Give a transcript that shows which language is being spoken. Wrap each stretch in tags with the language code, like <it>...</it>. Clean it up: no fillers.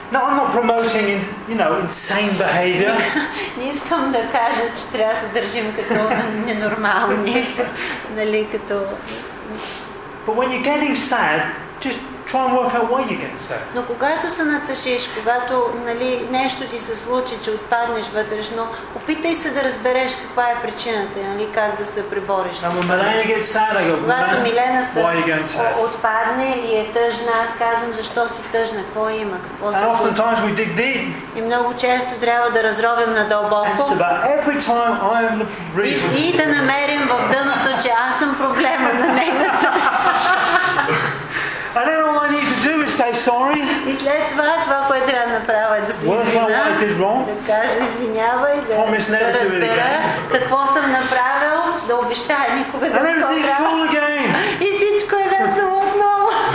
<en>No, I'm not promoting, you know, insane behavior.</en> <bg>Не искам да кажа, че трябва да се държим като ненормални, нали, като.</bg> <en>But when you're getting sad, just try and work out why you're getting sad.</en> <bg>Но когато се натъжиш, когато, нали, нещо ти се случи, че отпаднеш вътрешно, опитай се да разбереш каква е причината, нали, как да се прибориш.</bg> <en>Now, when Milena gets sad, I go,</en> <bg>когато Милена се</bg> <en>why are you getting sad?</en> <bg>Отпадне и е тъжна, аз казвам: защо си тъжна, какво има, какво се случва?</bg> <en>And often times we dig deep.</en> <bg>И много често трябва да разровим надълбоко.</bg> <en>And about every time I am the reason.</en> <bg>И да намерим в дъното, че аз съм проблема на нейната.</bg> <en>And then all I need to do is say sorry.</en> <bg>И след това, това, което трябва да направя, е да се извиня, да кажа извинявай, да разбера какво съм направил, да обещая никога да не го правя. И всичко е весело отново.</bg>